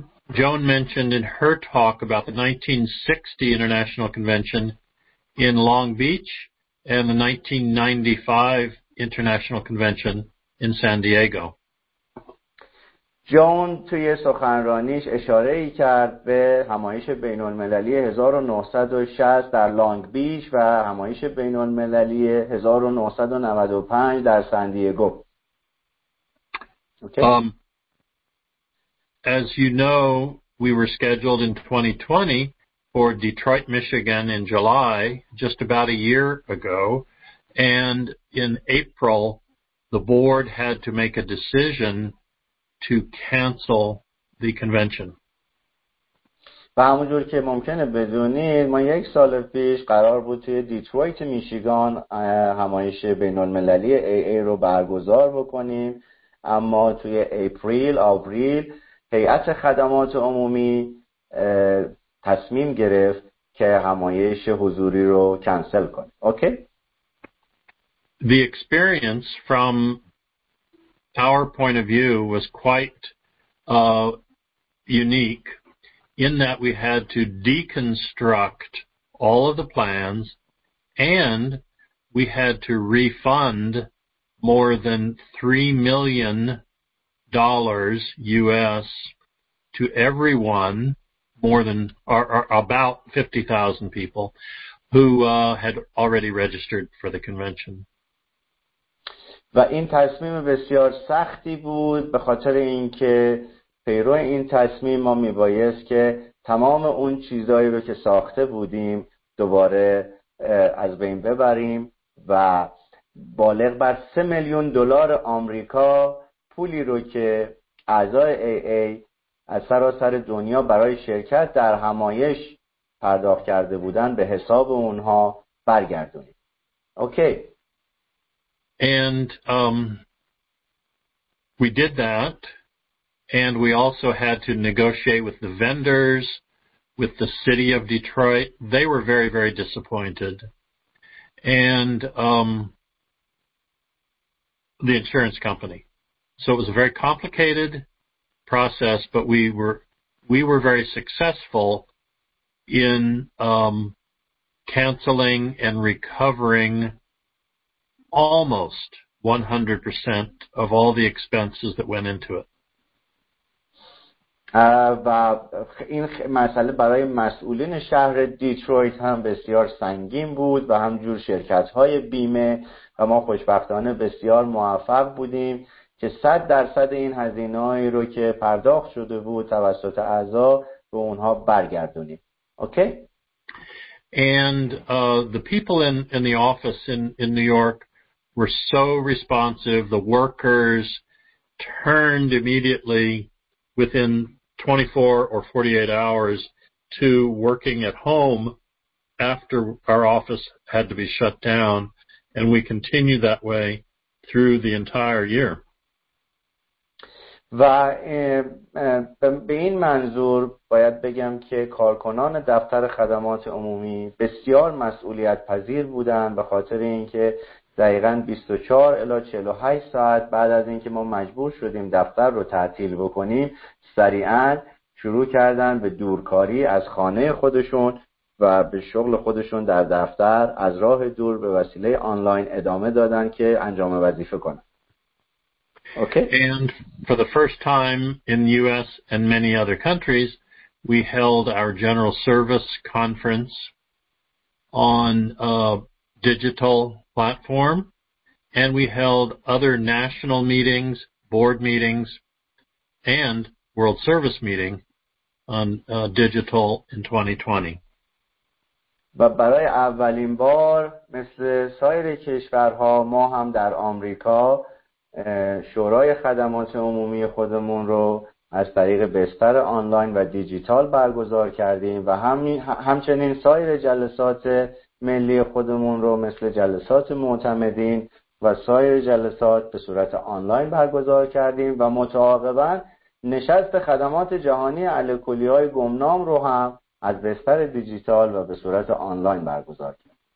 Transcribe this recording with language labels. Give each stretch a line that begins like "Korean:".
English: Joan mentioned in her talk about the 1960 International Convention in Long Beach and the 1995 International Convention in San Diego.
Persian: Joan توی سخنرانیش اشاره‌ای کرد به همایش بین‌المللی 1960 در لانگ بیچ و همایش بین‌المللی 1995 در سان دیگو.
English: Okay. As you know, we were scheduled in 2020 for Detroit, Michigan in July, just about a year ago. And in April, the board had to make a decision to cancel the convention.
Persian: و همونجور که ممکنه بدونید، ما یک سال پیش قرار بود توی دیترویت، میشیگان همایش بین المللی AA رو برگزار بکنیم. اما توی آوریل، هیئت خدمات عمومی تصمیم گرفت که همایش حضوری رو کنسل کنه. اوکی؟
English: The experience from our point of view was quite unique in that we had to deconstruct all of the plans and we had to refund more than $3 million US to everyone, about 50,000 people who had already registered for the convention.
Persian: و این تصمیم بسیار سختی بود به خاطر اینکه پیرو این تصمیم ما میبایست که تمام اون چیزایی رو که ساخته بودیم دوباره از بین ببریم و بالغ بر 3 میلیون دلار آمریکا پولی رو که اعضای AA از سراسر دنیا برای شرکت در همایش پرداخت کرده بودن به حساب اونها برگردونید. اوکی.
English: And we did that and we also had to negotiate with the vendors, with the city of Detroit. They were very, very disappointed. And the insurance company. So it was a very complicated process, but we were very successful in canceling and recovering almost 100% of all the expenses that went into it.
Persian: و این مسئله برای مسئولین شهر دیترویت هم بسیار سنگین بود و همجور شرکت‌های بیمه و ما خوشبختانه بسیار موفق بودیم که 100% این هزینه‌هایی رو که پرداخت شده بود توسط اعضا به اونها برگردونیم. اوکی؟
English: And the people in the office in New York were so responsive. The workers turned immediately within 24 or 48 hours to working at home after our office had to be shut down, and we continued that way through the entire year.
Persian: و به این منظور باید بگم که کارکنان دفتر خدمات عمومی بسیار مسئولیت پذیر بودند به خاطر اینکه دقیقاً 24 الی 48 ساعت بعد از اینکه ما مجبور شدیم دفتر رو تعطیل بکنیم، سریعاً شروع کردن به دورکاری از خانه خودشون و به شغل خودشون در دفتر از راه دور به وسیله آنلاین ادامه دادن که انجام وظیفه کنن.
English: Okay. And for the first time in the US and many other countries, we held our general service conference on a digital platform, and we held other national meetings, board meetings, and world service meeting on digital in 2020.
Persian: و برای اولین بار مثل سایر کشورها ما هم در آمریکا شورای خدمات عمومی خودمون رو از طریق بستر آنلاین و دیجیتال برگزار کردیم و همچنین سایر جلسات ملی خودمون رو مثل جلسات معتمدین و سایر جلسات به صورت آنلاین برگزار کردیم و متعاقبا نشست خدمات جهانی الکلی‌های گمنام رو هم از بستر دیجیتال و به صورت آنلاین برگزار کردیم.